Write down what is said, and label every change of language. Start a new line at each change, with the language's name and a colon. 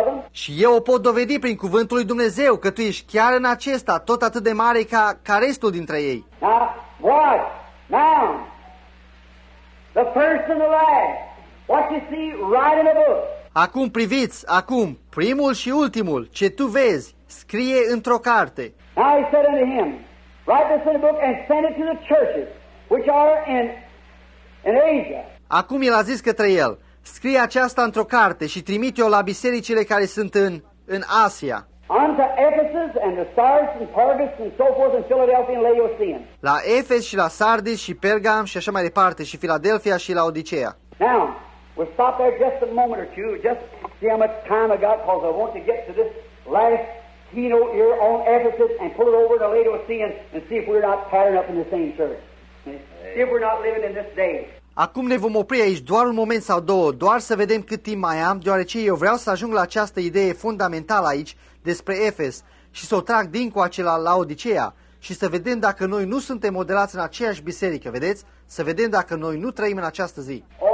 Romanian: Și eu o pot dovedi prin cuvântul lui Dumnezeu că tu ești chiar în acesta, tot atât de mare ca restul dintre ei.
English: Now, what? Now, the first and the last. What you see right in the book.
Romanian: Acum priviți, acum, primul și ultimul, ce tu vezi, scrie într-o carte.
English: Now he said unto him, write this in a book and send it to the churches which are in Asia.
Romanian: Acum el a zis către el, scrie aceasta într-o carte și trimite-o la bisericile care sunt în Asia.
English: Unto Ephesus and the Sardis and Pergamus and so forth and Philadelphia and Laodicea.
Romanian: La Efes și la Sardis și Pergam și așa mai departe și Philadelphia și Laodicea.
English: Now, we'll stop there just a moment or two, just see how much time I got, because I want to get to this last keynote here on Ephesus and pull it over to Laodicea and see if we're not patterned up in the same church. See if we're not living in this day.
Romanian: Acum ne vom opri aici doar un moment sau două, doar să vedem cât timp mai am, deoarece eu vreau să ajung la această idee fundamentală aici despre Efes și să o trag dincoace la Laodicea și să vedem dacă noi nu suntem modelați în aceeași biserică, vedeți? Să vedem dacă noi nu trăim în această zi.